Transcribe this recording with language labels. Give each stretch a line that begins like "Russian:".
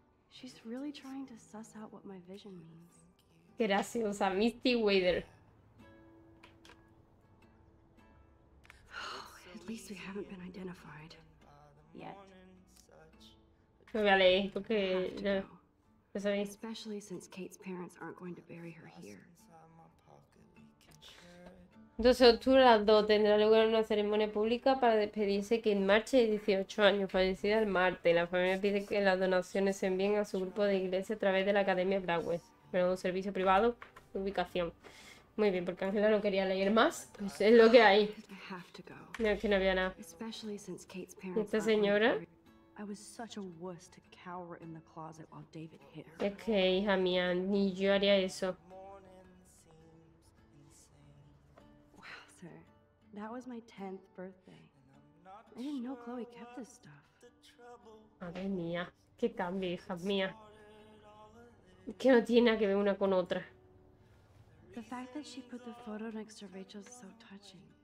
English: She's really trying to suss out what my vision means.
Spanish: Graciosa, Misty Weather.
English: Oh, at least we haven't been identified yet.
Spanish: No vale, porque no sabéis.
English: Especially since Kate's parents aren't going to bury her here.
Spanish: 12 de octubre a las 2 tendrá lugar una ceremonia pública para despedirse que en marcha de 18 años, fallecida el martes. La familia pide que las donaciones se envíen a su grupo de iglesia a través de la Academia Blackwell. Pero un servicio privado, ubicación. Muy bien, porque Ángela no quería leer más. Pues es lo que hay. No, es que no había nada. Y esta señora...
English: I was such a wuss to cower in the closet while David hit her.
Spanish: Es que, hija mía, ni yo haría eso.
English: Wow, sir. That was my 10th birthday. I didn't know Chloe kept this stuff.
Spanish: Madre mía, qué cambio, hija mía. Que no tiene nada que ver una con otra.
English: The fact that she put the photo next to Rachel's is so touching.